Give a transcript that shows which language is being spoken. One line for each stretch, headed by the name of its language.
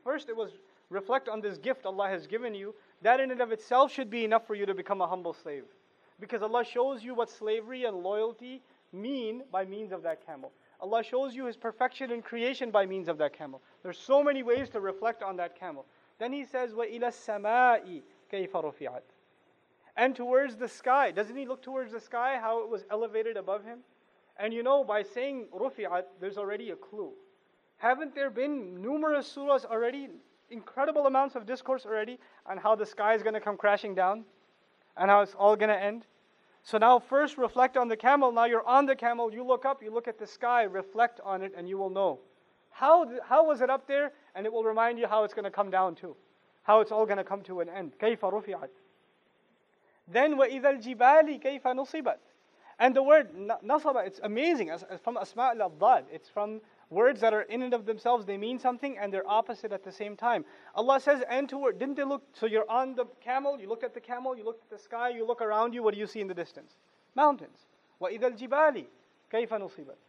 English: First, it was reflect on this gift Allah has given you. That in and of itself should be enough for you to become a humble slave. Because Allah shows you what slavery and loyalty mean by means of that camel. Allah shows you His perfection in creation by means of that camel. There's so many ways to reflect on that camel. Then he says,
Arabic: وَإِلَى السَّمَاءِ كَيْفَ رُفِعَتْ.
English: And towards the sky. Doesn't he look towards the sky, how it was elevated above him? And you know, by saying رُفِعَتْ, there's already a clue. Haven't there been numerous surahs already, incredible amounts of discourse already, on how the sky is going to come crashing down, and how it's all going to end? So now first reflect on the camel. Now you're on the camel, you look up, you look at the sky, reflect on it, and you will know. How was it up there? And it will remind you how it's going to come down too. How it's all going to come to an end.
Arabic: كَيْفَ رُفِعَتْ.
English: Then,
Arabic: وَإِذَا الْجِبَالِ كَيْفَ نُصِبَتْ.
English: And the word نَصَبَ, it's amazing. It's from
Arabic: أَسْمَاءُ الْأَضْدَادِ.
English: It's from words that are in and of themselves. They mean something and they're opposite at the same time. Allah says, and toward, didn't they look? So you're on the camel, you look at the camel, you look at the sky, you look around you, what do you see in the distance? Mountains.
Arabic: وَإِذَا الْجِبَالِ كَيْفَ نُصِبَتْ.